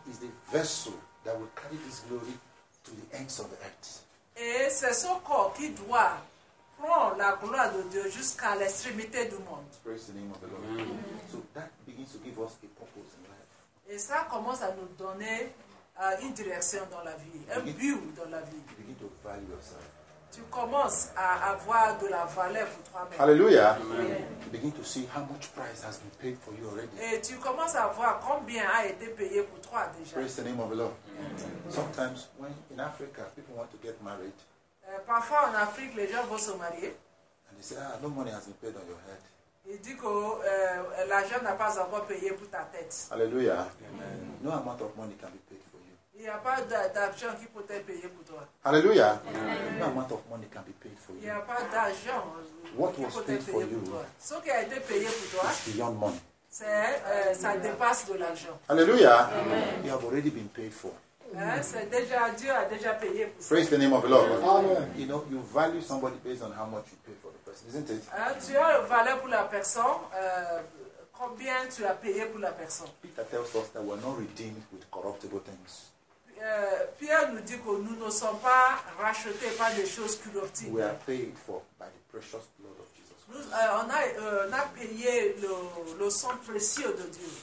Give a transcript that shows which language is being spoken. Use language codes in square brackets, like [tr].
[en] Is the vessel that will carry this glory to the ends of the earth. [fr] Et c'est ce corps qui doit prendre la gloire de Dieu jusqu'à l'extrémité du monde. [en] Praise the name of the Lord. So that begins to give us a purpose in life. [fr] Et ça commence à nous donner une direction dans la vie, un but dans la vie. [en] You begin to value yourself. [fr] Tu commences à avoir de la valeur pour toi-même. [en] Hallelujah. Amen. You begin to see how much price has been paid for you already. [fr] Et tu commences à voir combien a été payé pour toi déjà. [en] Praise the name of the Lord. Amen. Sometimes when in Africa people want to get married. [fr] Parfois en Afrique les gens vont se marier. [en] And they say, no money has been paid on your head. [fr] Il dit que l'argent n'a pas encore payé pour ta tête. [en] Hallelujah. Amen. No amount of money can be paid for you. [fr] Il n'y a pas d'argent qui peut être payé pour toi. Alléluia. [en] No amount of money can be paid for you. [fr] Il n'y a pas d'argent. [en] What was paid for you? [fr] Ce qui a été payé pour toi. [en] It's beyond money. [fr] Ça dépasse de l'argent. Alléluia. [en] Amen. You have already been paid for. [fr] Dieu a déjà payé pour ça. [en] Praise the name of the Lord. Amen. You know, you value somebody based on how much you pay for the person, isn't it? [fr] Tu as valeur pour la personne. Combien tu as payé pour la personne? [en] Peter tells us that we are not redeemed with corruptible things. [fr] Pierre nous dit que nous ne sommes pas rachetés par des choses corruptibles. [en] We are paid for by the precious blood of Jesus Christ. [fr] Nous, on a payé le sang précieux de Dieu.